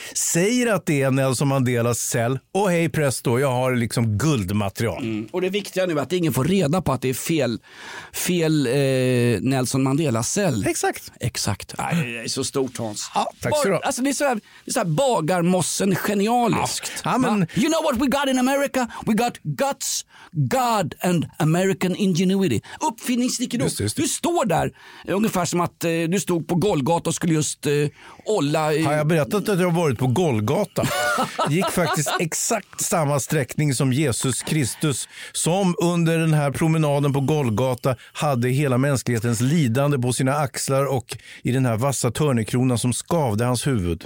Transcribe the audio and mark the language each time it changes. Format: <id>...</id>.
<sv>Säger att det är Nelson Mandelas cell. Och hej presto, jag har liksom guldmaterial. Mm. Och det viktiga nu är att ingen får reda på att det är fel Nelson Mandelas cell. Exakt. Exakt. Nej, det är så stort, Hans. Ja, tack så bra. alltså det är så här, det är så här bagarmossen genialiskt. Ja. Ja, men...</sv> <en>You know what we got in America? We got guts, God and American ingenuity.</en> <sv>Uppfinningsrikedom. Du står där ungefär som att du stod på Golgata och skulle just olla. Har jag berättat att jag har varit på Golgata? Gick faktiskt exakt samma sträckning som Jesus Kristus, som under den här promenaden på Golgata hade hela mänsklighetens lidande på sina axlar och i den här vassa törnekronan som skavde hans huvud.</sv>